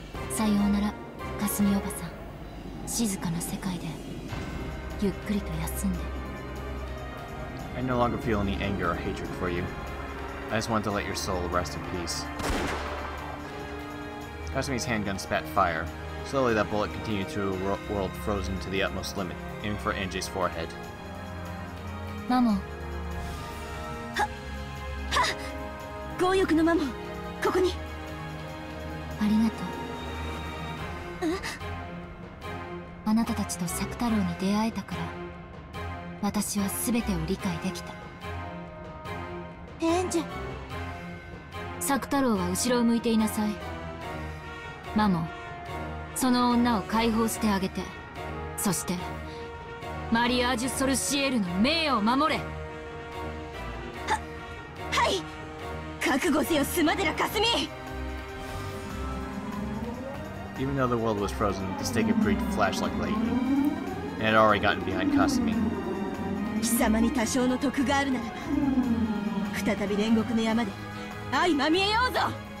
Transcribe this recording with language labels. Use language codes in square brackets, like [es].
[ja] さようなら、かすみおばさん。静かな世界でゆっくりと休んで。 [en] I no longer feel any anger or hatred for you. I just want to let your soul rest in peace. Kasumi's handgun spat fire. Slowly, that bullet continued to whirl frozen to the utmost limit, aiming for Anji's forehead. [ja] マモ。は、は、強欲のマモ、ここに。ありがとう。あなたたちと朔太郎に出会えたから、私は全てを理解できた。エンジェ。朔太郎は後ろを向いていなさい。マモ、その女を解放してあげて、そしてマリアージュ・ソルシエルの名誉を守れ。は、はい。覚悟せよ、スマデラ・カスミ。 [en] Even though the world was frozen, the stake had briefly flashed like lightning. And had already gotten behind Kasumi. [ja] 貴様に多少の得があるなら、再び煉獄の山で愛まみえようぞ。